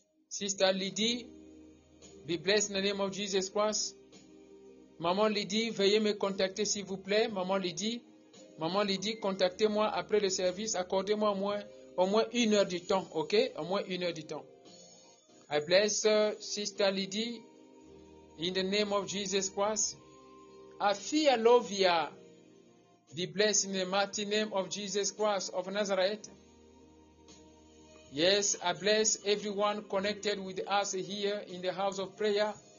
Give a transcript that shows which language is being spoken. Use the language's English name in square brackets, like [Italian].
[English] Sister Lydie, be blessed in the name of Jesus Christ. [French] Maman Lydie, veuillez me contacter s'il vous plaît. Maman Lydie, contactez-moi après le service. Accordez-moi au moins une heure du temps, ok? Au moins une heure du temps. [English] I bless Sister Lydie in the name of Jesus Christ. Afia Lovia, be blessed in the mighty name of Jesus Christ of Nazareth. Yes, I bless everyone connected with us here in the house of prayer.